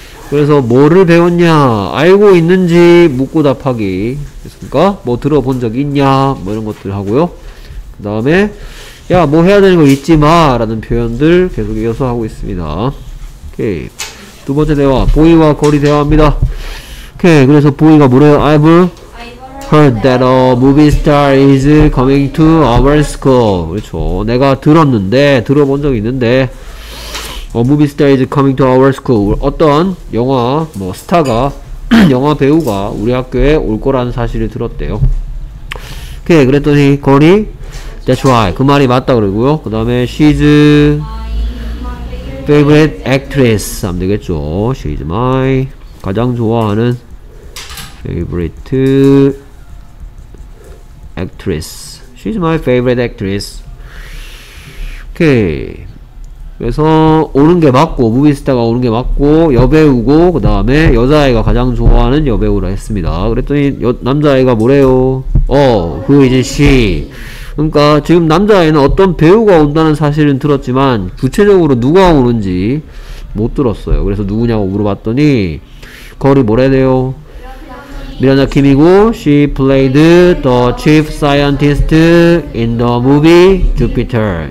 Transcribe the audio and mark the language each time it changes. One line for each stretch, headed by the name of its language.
Korean: 그래서 뭐를 배웠냐, 알고 있는지 묻고 답하기 됐습니까? 뭐 들어본 적 있냐, 뭐 이런 것들 하고요. 그 다음에 야뭐 해야 되는 거 잊지 마 라는 표현들 계속 이어서 하고 있습니다. 오케이. 두 번째 대화, 보이와 거리 대화입니다. 오케이. 그래서 보이가 물어요.
English: Heard that a movie star is coming to our school.
Korean: 그렇죠. 내가 들었는데, 들어본 적 있는데,
English: a movie star is coming to our school.
Korean: 어떤 영화, 뭐, 스타가, 영화 배우가 우리 학교에 올 거라는 사실을 들었대요. 오케이. 그랬더니, 거리,
English: that's right.
Korean: 그 말이 맞다 그러고요. 그 다음에,
English: she's favorite actress.
Korean: 하면 되겠죠.
English: She's my
Korean: 가장 좋아하는
English: favorite actress. She's my favorite actress. 오케이.
Korean: 그래서 오는 게 맞고, 무비스타가 오는 게 맞고, 여배우고, 그 다음에 여자아이가 가장 좋아하는 여배우라 했습니다. 그랬더니 남자아이가 뭐래요?
English: Who is she?
Korean: 그러니까 지금 남자아이는 어떤 배우가 온다는 사실은 들었지만 구체적으로 누가 오는지 못 들었어요. 그래서 누구냐고 물어봤더니 거리 뭐래요? 미란다 킴이고,
English: she played the chief scientist in the movie Jupiter.